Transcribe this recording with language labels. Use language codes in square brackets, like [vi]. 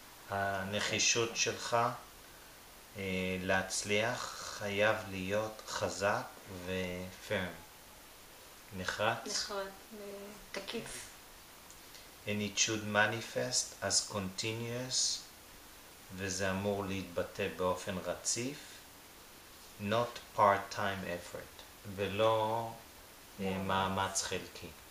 [he] הנחישות שלך להצליח חייב להיות חזק ופירם. נחרץ? נכון, תקיף. [en] And it should manifest as continuous, [he] וזה אמור להתבטא באופן רציף, [en] not part-time effort, [he] ולא מאמץ חלקי.